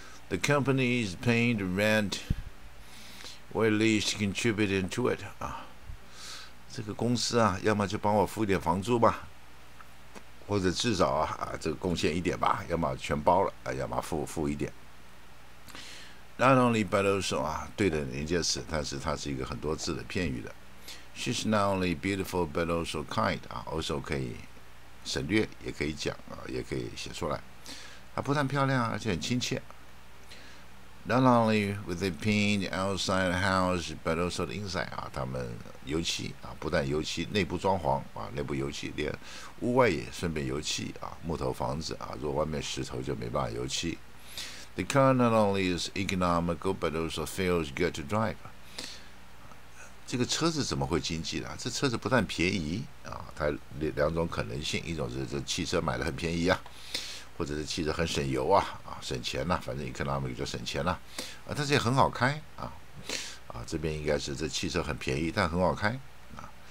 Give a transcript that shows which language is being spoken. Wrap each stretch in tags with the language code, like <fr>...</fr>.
<en>The company is paying the rent, or at least contributing to it.</en> <zh>这个公司啊，要么就帮我付一点房租吧，或者至少 这个贡献一点吧，要么全包了，要么付一点。</zh> <en>Not only beautiful</en> <zh>啊，对的，连接词，但是它是一个很多字的片语的。</zh> <en>She's not only beautiful but also kind</en> <zh>啊 ，also 可以省略，也可以讲啊，也可以写出来。她不但漂亮，而且很亲切。</zh> <en>Not only with the paint outside the house but also the inside</en> <zh>啊，他们油漆啊，不但油漆内部装潢啊，内部油漆，连屋外也顺便油漆啊，木头房子啊，如果外面石头就没办法油漆。</zh> <en>The car not only is economical but also feels good to drive。</en> <zh>这个车子怎么会经济呢？这车子不但便宜啊，它两种可能性，一种是这汽车买的很便宜啊，或者是汽车很省油啊，啊省钱呐、啊，反正 economic 就省钱了 啊，但是也很好开啊，啊这边应该是这汽车很便宜，但很好开啊。</zh>